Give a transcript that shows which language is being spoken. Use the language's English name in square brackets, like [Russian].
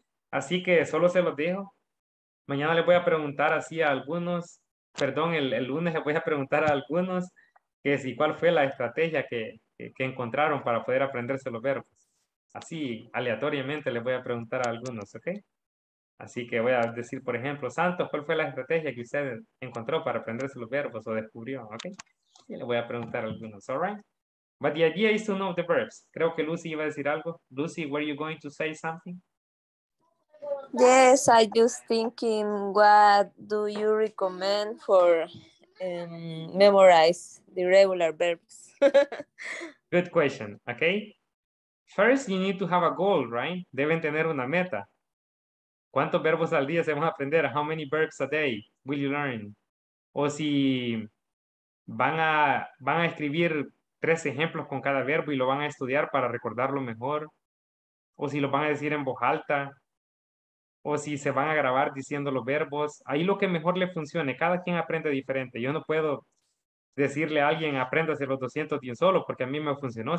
[Spanish] Así que solo se los dejo. Mañana les voy a preguntar así a algunos, perdón, el lunes les voy a preguntar a algunos que si cuál fue la estrategia que encontraron para poder aprenderse los verbos. Así, aleatoriamente, les voy a preguntar a algunos, ¿ok? Así que voy a decir, por ejemplo, Santos, ¿cuál fue la estrategia que usted encontró para aprenderse los verbos o descubrió? ¿Ok? Y le voy a preguntar a algunos, [English] ¿all right? But the idea is to know the verbs. [Spanish] Creo que Lucy iba a decir algo. Lucy, [English] were you going to say something? Yes, I just thinking, what do you recommend for memorize the regular verbs? Good question, okay? First, you need to have a goal, right? [Spanish] Deben tener una meta. ¿Cuántos verbos al día se van a aprender? [English] How many verbs a day will you learn? [Spanish] O si van a escribir 3 ejemplos con cada verbo y lo van a estudiar para recordarlo mejor. O si lo van a decir en voz alta. O si se van a grabar diciendo los verbos. Ahí lo que mejor le funcione. Cada quien aprende diferente. Yo no puedo decirle a alguien, apréndase los 200 de un solo, porque a mí me funcionó.